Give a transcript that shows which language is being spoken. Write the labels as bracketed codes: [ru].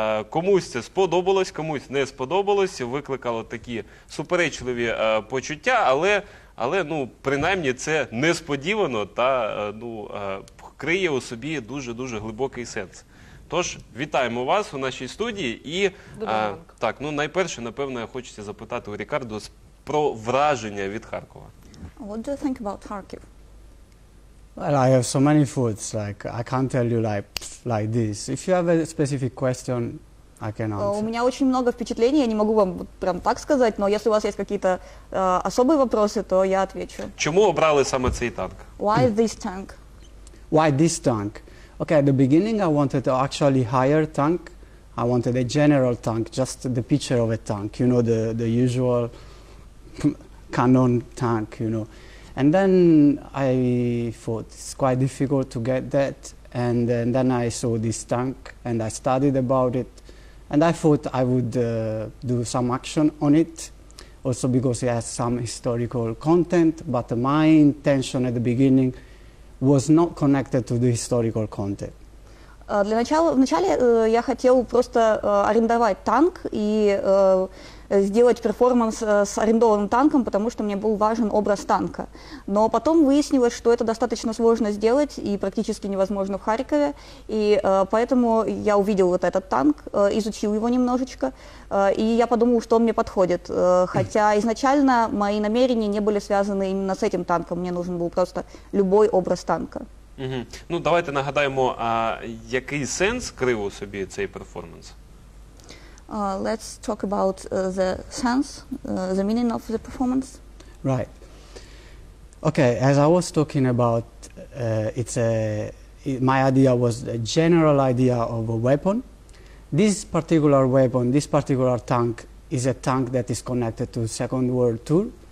[uk] Комусь це сподобалось, комусь не сподобалось, викликало такі суперечливі почуття, але ну, принаймні це несподівано та ну, криє у собі дуже-дуже глибокий сенс. Тож, вітаємо вас у нашій студії. І, так, ну, найперше, напевно, хочеться запитати у Риккардо про враження від Харкова. [en] What do you think about Kharkiv? Well, I have so many foods, like, I can't tell you like this. If you have a specific question, I can answer. [uk] У мене дуже багато впечатлень, я не можу вам прям так сказати, але якщо у вас є якісь особливі питання, то я відповім. Чому обрали саме цей танк? [en] Why this tank? Why this tank? Okay, at the beginning I wanted to actually hire a tank. I wanted a general tank, just the picture of a tank, you know, the usual cannon tank, you know. And then I thought it's quite difficult to get that. And then I saw this tank and I studied about it. And I thought I would do some action on it, also because it has some historical content. But my intention at the beginning was not connected to the historical content. [ru] Для начала, вначале я хотел просто арендовать танк и сделать перформанс с арендованным танком, потому что мне был важен образ танка. Но потом выяснилось, что это достаточно сложно сделать и практически невозможно в Харькове. И поэтому я увидел вот этот танк, изучил его немножечко, и я подумал, что он мне подходит. Хотя изначально мои намерения не были связаны именно с этим танком. Мне нужен был просто любой образ танка. Угу. [uk] Ну, давайте нагадаємо, який сенс крив у собі цей перформанс? [en] Let's talk about the sense, the meaning of the performance. Right. Okay, as I was talking about, my idea was a general idea of a weapon. This particular weapon, this particular tank, is a tank that is connected to Second World War.